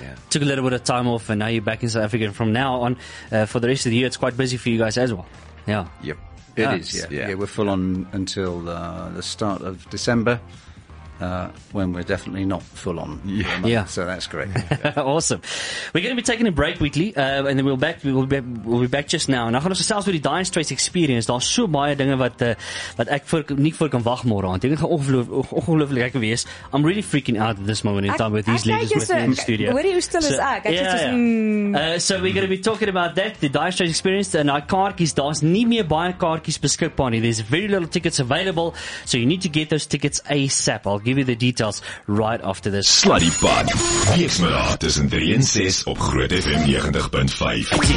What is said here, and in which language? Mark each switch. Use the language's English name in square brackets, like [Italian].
[English] Took a little bit of time off, and now you're back in South Africa. And from now on, for the rest of the year, it's quite busy for you guys as well. Yeah. Yep. It is. We're full on until the start of December, when we're definitely not full on. Yeah. So that's great. Awesome. We're going to be taking a break weekly, and then we'll be back just now. [Afrikaans] Nou gaan ons gesels oor die Dire Straits experience. Daar's so baie dinge wat ek nie vir kan wag môre aan. Dit gaan ongelooflik lekker wees. [English] I'm really freaking out at this moment in time with these legends with me in the studio. [Afrikaans] Hoor jy hoe stil is ek? [English] So we're going to be talking about that, the Dire Straits experience, and our kaartjies. [Afrikaans] Daar's nie meer baie kaartjies beskikbaar nie. [English] There's very little tickets available, so you need to get those tickets ASAP. I'll give you the details right after this. Slutty Pod. [Afrikaans] Weeksmiddag tussen 3 en 6 op Groot FM 90.5.